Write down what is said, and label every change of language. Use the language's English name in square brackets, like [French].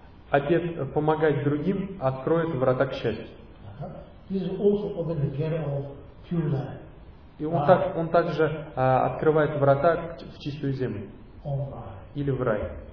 [Russian] Обет помогать другим откроет врата к счастью. [English] This will also open the gate of pure life. [Russian] И он, так, он также открывает врата в чистую землю. Или в рай.